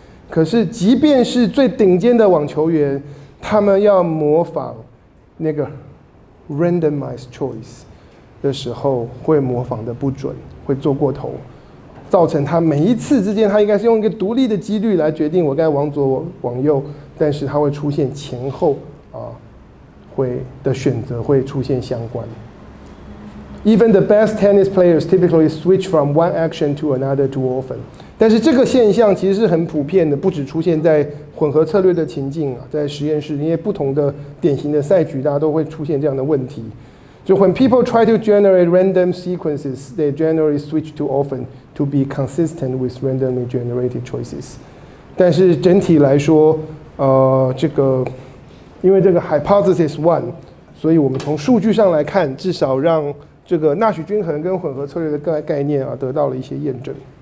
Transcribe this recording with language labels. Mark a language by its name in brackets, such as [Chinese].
[Chinese] 可是即便是最顶尖的网球员，他们要模仿那个 randomized choice 的时候会模仿的不准，会做过头，造成他每一次之间他应该是用一个独立的几率来决定我该往左往右，但是他会出现前后会的选择会出现相关。 [English] Even the best tennis players typically switch from one action to another too often。 [Chinese] 但是这个现象其实是很普遍的，不只出现在混合策略的情境啊，在实验室，因为不同的典型的赛局，大家都会出现这样的问题。 [English] 就 when people try to generate random sequences, they generally switch too often to be consistent with randomly generated choices。 [Chinese] 但是整体来说，这个因为这个 hypothesis one， 所以我们从数据上来看，至少让这个纳许均衡跟混合策略的概念得到了一些验证。